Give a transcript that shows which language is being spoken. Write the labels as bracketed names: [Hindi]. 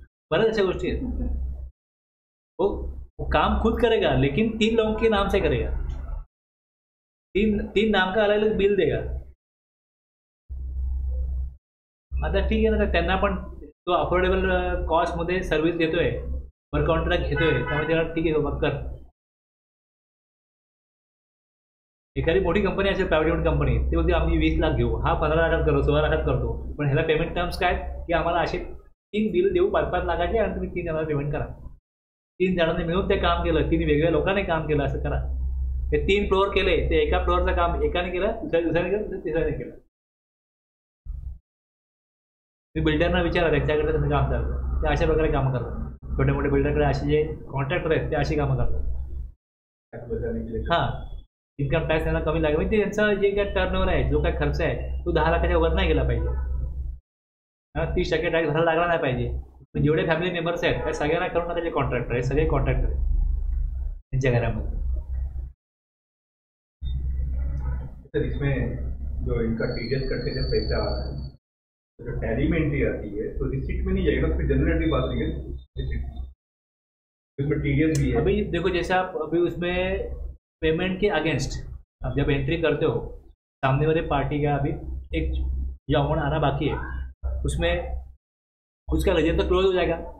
[Marathi] बऱ्याच अशा गोष्टी आहेत, [Hindi] वो काम खुद करेगा लेकिन 3 लोगों के नाम से करेगा, तीन नाम का अलग अलग बिल देगा। [Marathi] आता ठीक आहे ना, त्यांना पण तो अफोर्डेबल कॉस्टमध्ये सर्व्हिस देतोय, पर कॉन्ट्रॅक्ट घेतोय त्यामुळे त्याला ठीक आहे बघ कर। एखादी मोठी कंपनी असेल प्रायव्हेट कंपनी ते बोलते आम्ही 20 लाख घेऊ, हा 15 लाखात करतो 16 लाखात करतो, पण ह्याला पेमेंट टर्म्स काय की आम्हाला असे 3 बिल देऊ 5-5 लाखाचे आणि तुम्ही 3 जणांना पेमेंट करा, 3 जणांनी मिळून ते काम केलं, 3 वेगळ्या लोकांनी काम केलं असं करा। हे 3 फ्लोअर केले ते एका फ्लोअरचं काम एकाने केलं, दुसऱ्याने केलं, तिसऱ्याने केलं। मी बिल्डरना विचारा त्यांच्याकडे त्यांनी काम करतो, ते अशा प्रकारे काम करतात, छोटे मोठे बिल्डरकडे असे जे कॉन्ट्रॅक्टर आहेत ते अशी कामं करतात। हां, इन्कम टॅक्स त्यांना कमी लागेल, म्हणजे त्यांचा जे काय टर्नओवर आहे जो काय खर्च आहे तो 10 लाखाच्या वर नाही गेला पाहिजे, 30% टॅक्स भरायला लागला नाही पाहिजे। पण जेवढे फॅमिली मेंबर्स आहेत त्या सगळ्यांना करून टाकायचे कॉन्ट्रॅक्टर आहे, सगळे कॉन्ट्रॅक्टर आहेत त्यांच्या घरामध्ये। [Hindi] सर, इसमें जो इनका TDS कटते जो पैसा आ रहा है जो टैली में एंट्री आती है तो रिसिट में नहीं जाएगा, फिर जनरल एंट्री बात नहीं है, इसमें TDS भी है। अभी देखो जैसे आप अभी उसमें पेमेंट के अगेंस्ट आप जब एंट्री करते हो सामने वाले पार्टी का अभी एक जो अमाउंट आना बाकी है उसमें उसका लेजर तो क्लोज हो जाएगा।